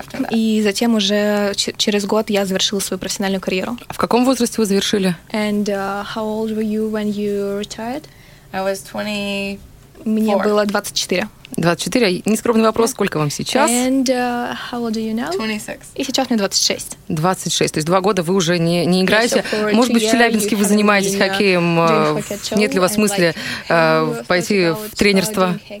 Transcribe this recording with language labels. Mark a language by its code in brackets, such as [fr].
[ru] И затем уже через год я завершила свою профессиональную карьеру. А в каком возрасте вы завершили? [en] And how old were you when you retired? I was 20. [ru] Мне было 24. 24? Нескромный вопрос, сколько вам сейчас? [en] And how old are you now? 26. [ru] И сейчас мне 26. 26, то есть 2 года вы уже не играете. Может быть, в Челябинске вы занимаетесь хоккеем? Нет ли у вас мысли пойти в тренерство?